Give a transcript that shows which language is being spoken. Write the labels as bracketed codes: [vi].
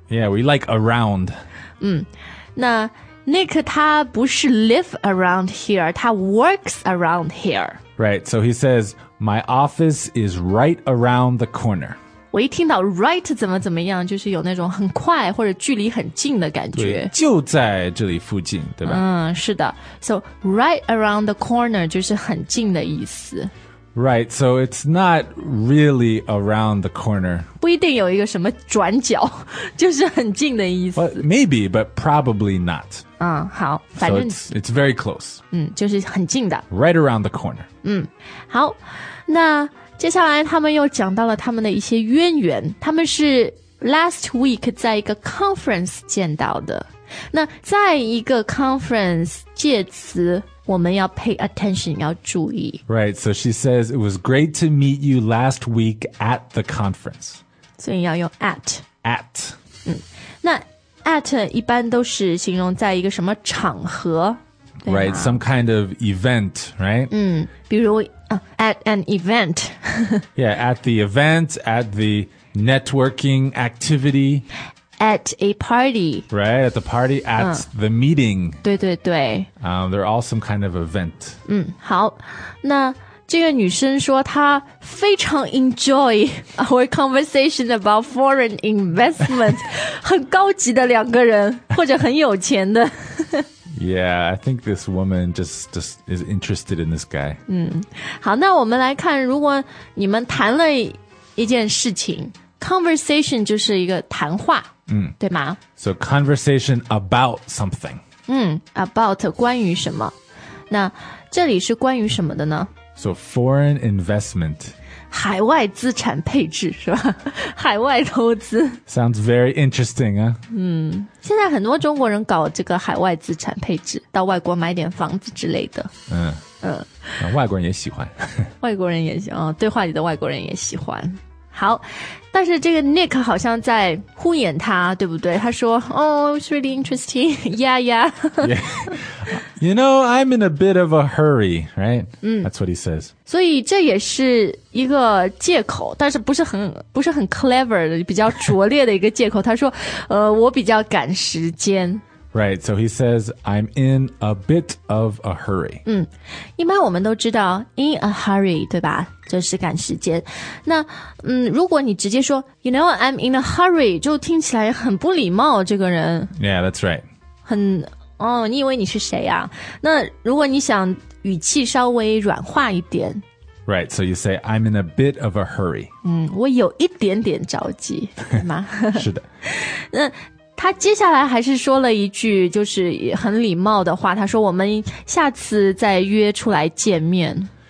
[en] Yeah, we like around. 那Nick, [zh] 他不是 [en] live around here, 他 works around here. Right, so he says, my office is right around the corner. [zh] 我一听到 [en] right [zh] 怎么怎么样，就是有那种很快或者距离很近的感觉。对，就在这里附近，对吧？嗯，是的。 [en] So right around the corner [zh] 就是很近的意思。 [en] Right, so it's not really around the corner. [zh] 不一定有一个什么转角，就是很近的意思。 [en] Well, maybe, but probably not. [zh] 嗯，好，反正 [en] it's very close. [zh] 嗯，就是很近的。 [en] Right around the corner. [zh] 嗯，好，那接下来他们又讲到了他们的一些渊源。他们是 last week 在一个 conference 见到的。那在一个 conference 介词我们要 [en] pay attention, [zh] 要注意。 [en] Right, so she says, it was great to meet you last week at the conference. [zh] 所以要用 at. [en] At.、 [zh] 嗯、那 at 一般都是形容在一个什么场合。 [en] Right, some kind of event, right?、嗯、比如、at an event. yeah, at the event, at the networking activity. At a party. Right, at the party, at、the meeting. [zh] 对对对、 [en] They're all some kind of event. [zh] 嗯，好，那这个女生说她非常 [en] enjoy our conversation about foreign investment. [zh] 很高级的两个人，或者很有钱的。 [en] Yeah, I think this woman just is interested in this guy. [zh] 嗯，好，那我们来看，如果你们谈了一件事情 ，conversation 就是一个谈话，嗯，对吗 [en] ？So conversation about something. [zh] 嗯 ，about 关于什么？那这里是关于什么的呢 [en] ？So foreign investment. [zh] 海外资产配置是吧？海外投资。 [en] Sounds very interesting, huh? [zh] 嗯。现在很多中国人搞这个海外资产配置，到外国买点房子之类的。嗯嗯，外国人也喜欢。外国人也喜欢、哦、对话里的外国人也喜欢。好，但是这个 Nick 好像在敷衍他，对不对？他说 [en] ，Oh, it's really interesting. Yeah, yeah. yeah. You know, I'm in a bit of a hurry, right?、That's what he says. [zh] 所以这也是一个借口，但是不是很 clever 的，比较拙劣的一个借口。他说，我比较赶时间。 [en] Right, so he says, I'm in a bit of a hurry. [zh] 嗯，一般我们都知道 [en] in a hurry, [zh] 对吧？就是赶时间。那，嗯，如果你直接说 [en] you know, I'm in a hurry, [zh] 就听起来很不礼貌，这个人。 [en] Yeah, that's right. [zh] 很，哦，你以为你是谁啊？那如果你想语气稍微软化一点。 [en] Right, so you say, I'm in a bit of a hurry. [zh] 嗯，我有一点点着急，对吗？是的。那他接下来还是说了一句就是很礼貌的话，他说我们下次再约出来见面。